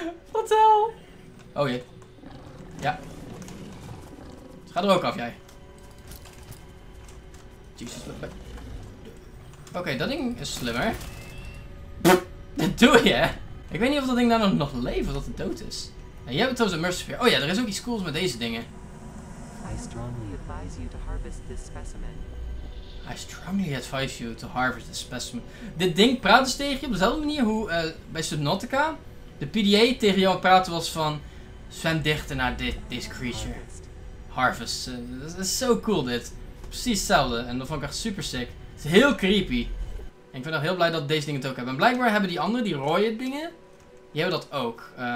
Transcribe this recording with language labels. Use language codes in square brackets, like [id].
[nl] Wat hel! Oh jee. Ja. Ga er ook af, jij. Jesus. Oké, dat ding is slimmer. Dat doe je, hè? Ik weet niet of dat ding daar nog leeft of dat het dood is. En jij hebt trouwens een Mercysphere. Oh ja, er is ook iets cools met deze dingen. [en] I strongly advise you to harvest this specimen. I strongly advise you to harvest the specimen. [nl] Dit ding praat dus tegen je op dezelfde manier hoe bij Subnautica. De PDA tegen jou praten was van... Zwem dichter naar [en] this creature. [nl] Harvest. Dat is zo cool dit. Precies hetzelfde. En dat vond ik echt [en] super sick. [nl] Het is heel creepy. En ik ben ook heel blij dat deze dingen het ook hebben. En blijkbaar hebben die andere, die rode dingen... Die hebben dat ook.